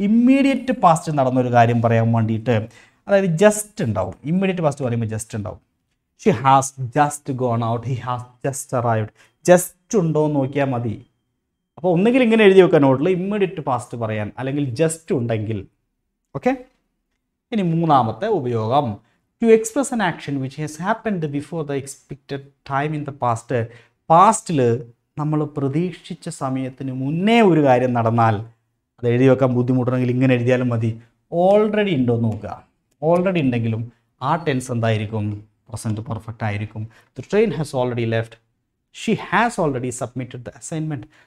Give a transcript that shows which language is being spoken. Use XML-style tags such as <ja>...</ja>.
<ml>Immediate past നടന്നൊരു കാര്യം പറയാൻ വേണ്ടിയിട്ട്, അതായത് ജസ്റ്റ് ഉണ്ടാവും, ഇമ്മീഡിയറ്റ് പാസ്റ്റ് പറയുമ്പോൾ ജസ്റ്റ് ഉണ്ടാവും.</ml> <en>She has just gone out, he has just arrived.</en> <ml>Just ഉണ്ടോ എന്ന് നോക്കിയാൽ മതി. അപ്പോൾ ഒന്നുകിൽ ഇങ്ങനെ എഴുതി വെക്കാൻ നോട്ടിൽ ഇമ്മീഡിയറ്റ് പാസ്റ്റ് പറയാൻ, അല്ലെങ്കിൽ ജസ്റ്റ് ഉണ്ടെങ്കിൽ. ഓക്കെ, ഇനി മൂന്നാമത്തെ ഉപയോഗം,</ml> <en>to express an action which has happened before the expected time in the past.</en> <ml>പാസ്റ്റിൽ നമ്മൾ പ്രതീക്ഷിച്ച സമയത്തിന് മുന്നേ ഒരു കാര്യം നടന്നാൽ അത് എഴുതി വെക്കാൻ ബുദ്ധിമുട്ടുണ്ടെങ്കിൽ ഇങ്ങനെ എഴുതിയാലും മതി. ഓൾറെഡി ഉണ്ടോ എന്ന് നോക്കുക. ഓൾറെഡി ഉണ്ടെങ്കിലും ആ ടെൻസ് എന്തായിരിക്കും? പ്രസൻറ്റ് പെർഫെക്റ്റ് ആയിരിക്കും.</ml> <en>The train has already left. She has already submitted the assignment.</en>